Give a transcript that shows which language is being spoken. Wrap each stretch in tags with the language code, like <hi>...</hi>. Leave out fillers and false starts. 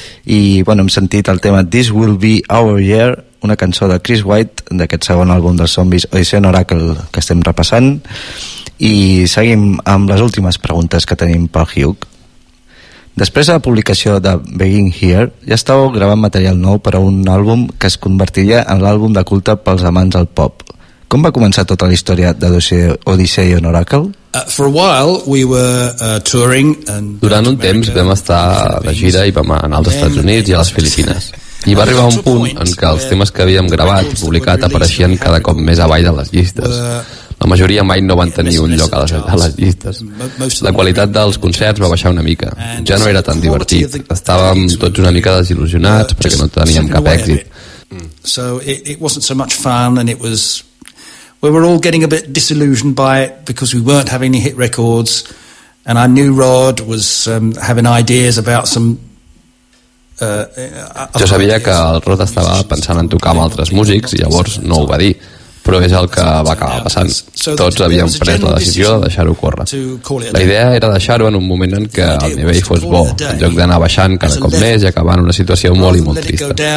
<ca>I bueno, hem sentit el tema This Will Be Our Year, una cançó de Chris White d'aquest segon àlbum dels zombis Odyssean Oracle que estem repassant, i seguim amb les últimes preguntes que tenim pel Hugh. Després de la publicació de Begin Here, ja estàveu gravant material nou per a un àlbum que es convertiria en l'àlbum de culte pels amants del pop. Com va començar tota la història de Odyssey on Oracle?</ca> <en>For a while we were touring and</en> <ca>durant un temps vam estar de gira i vam anar als Estats Units i a les Filipines. I va arribar un punt en què els temes que havíem gravat i publicat apareixien cada cop més avall de les llistes. La majoria mai no van tenir un lloc a les llistes. La qualitat dels concerts va baixar una mica. Ja no era tan divertit. Estàvem tots una mica desil·lusionats perquè no teníem cap èxit.</ca> <en>So it wasn't so much fun and it was... We were all getting a bit disillusioned by it because we weren't having any hit records and our new Rod was having ideas about some...</en> <ca>Jo sabia que el Rod estava pensant en tocar amb altres músics i llavors no ho va dir, però és el que va acabar passant. Tots havíem pres la decisió de deixar-ho córrer. La idea era deixar-ho en un moment en què el nivell fos bo, en lloc d'anar baixant cada cop més i acabar en una situació molt i molt trista.</ca>